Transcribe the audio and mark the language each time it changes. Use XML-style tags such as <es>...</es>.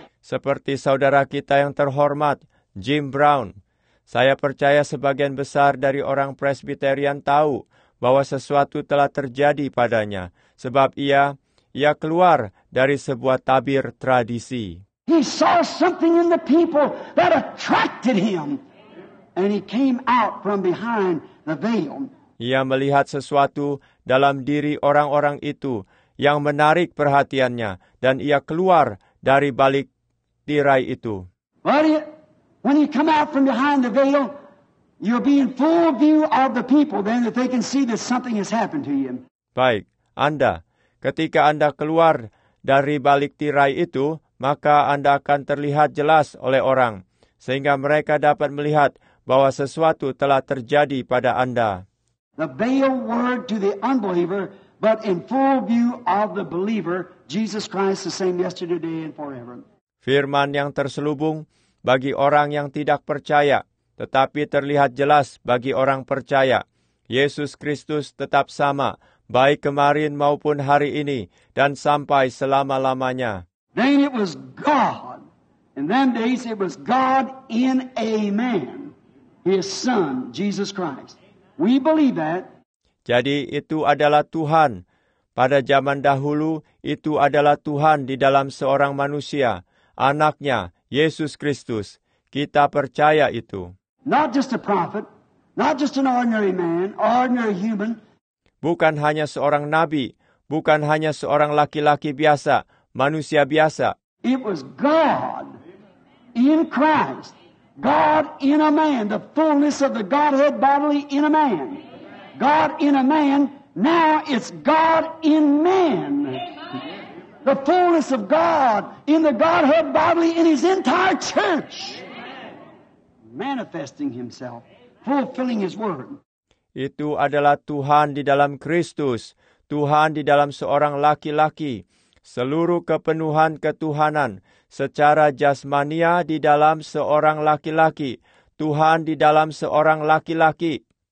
<id>Seperti saudara kita yang terhormat, Jim Brown. Saya percaya sebagian besar dari orang Presbyterian tahu bahwa sesuatu telah terjadi padanya sebab ia keluar dari sebuah tabir tradisi.</id> <en>He saw something in the people that attracted him and he came out from behind the veil.</en> <id>Ia melihat sesuatu dalam diri orang-orang itu yang menarik perhatiannya dan ia keluar dari balik tirai itu.</id> <en>When you come out from behind the veil, you'll be in full view of the people then that they can see that something has happened to you.</en> <id>Baik, Anda, ketika Anda keluar dari balik tirai itu, maka Anda akan terlihat jelas oleh orang, sehingga mereka dapat melihat bahwa sesuatu telah terjadi pada Anda.</id> <en>The veil word to the unbeliever, but in full view of the believer, Jesus Christ the same yesterday, today, and forever.</en> <id>Firman yang terselubung bagi orang yang tidak percaya, tetapi terlihat jelas bagi orang percaya. Yesus Kristus tetap sama, baik kemarin maupun hari ini, dan sampai selama-lamanya.</id> <en>Then it was God. In them days it was God in a man, His Son, Jesus Christ. We believe that.</en> <id>Jadi itu adalah Tuhan. Pada zaman dahulu, itu adalah Tuhan di dalam seorang manusia, anaknya, Yesus Kristus. Kita percaya itu.</id> <en>Not just a prophet, not just an ordinary man, ordinary human.</en> <id>Bukan hanya seorang nabi, bukan hanya seorang laki-laki biasa, manusia biasa.</id> <en>It was God in Christ. God in a man, the fullness of the Godhead bodily in a man. God in a man, now it's God in man. The fullness of God in the Godhead bodily in His entire church. Manifesting Himself, fulfilling His word.</en> <id>Itu adalah Tuhan di dalam Kristus, Tuhan di dalam seorang laki-laki, seluruh kepenuhan ketuhanan secara jasmania di dalam seorang laki-laki, Tuhan di dalam seorang laki-laki.</id>